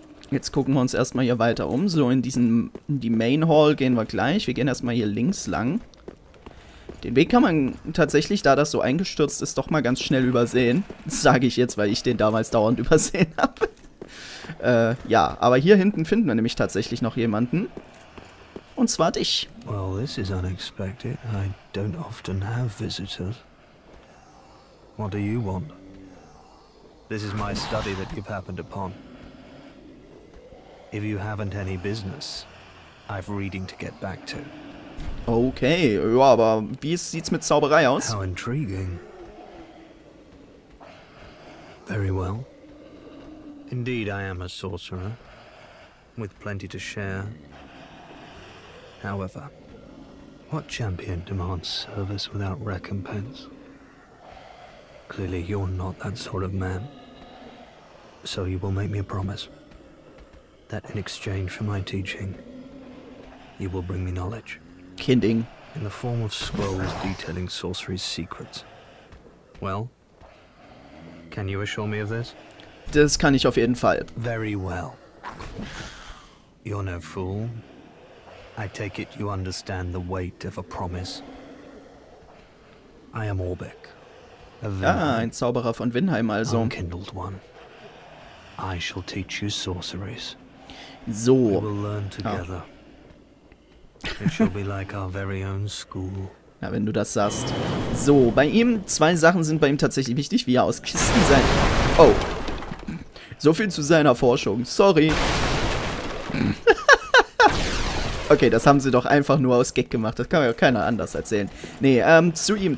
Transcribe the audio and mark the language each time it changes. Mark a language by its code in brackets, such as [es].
[de] Jetzt gucken wir uns erstmal hier weiter um. So, in die Main Hall gehen wir gleich. Wir gehen erstmal hier links lang. Den Weg kann man tatsächlich, da das so eingestürzt ist, doch mal ganz schnell übersehen. Das sage ich jetzt, weil ich den damals dauernd übersehen habe. Ja, aber hier hinten finden wir nämlich tatsächlich noch jemanden. Und zwar dich. [en] Well, this is unexpected. I don't often have visitors. What do you want? This is my study that you've happened upon. If you haven't any business, I've reading to get back to. [de] Okay, ja, aber wie sieht's mit Zauberei aus? [en] How intriguing. Very well. Indeed, I am a sorcerer. With plenty to share. However, what champion demands service without recompense? Clearly, you're not that sort of man. So you will make me a promise. That in exchange for my teaching, you will bring me knowledge. Kidding. In the form of scrolls detailing sorcery's secrets. Well, can you assure me of this? [de] Das kann ich auf jeden Fall. [en] Very well. You're no fool. I take it you understand the weight of a promise. I am Orbeck. [de] Ein Zauberer von Windheim also. [en] Unkindled one. I shall teach you sorceries. So. We will learn together. It shall be like our very own school. [de] Ja, wenn du das sagst. So, bei ihm, zwei Sachen sind bei ihm tatsächlich wichtig, wie er aus Kisten sein... Oh. So viel zu seiner Forschung. Sorry. Okay, das haben sie doch einfach nur aus Gag gemacht. Das kann mir auch keiner anders erzählen. Nee, zu ihm.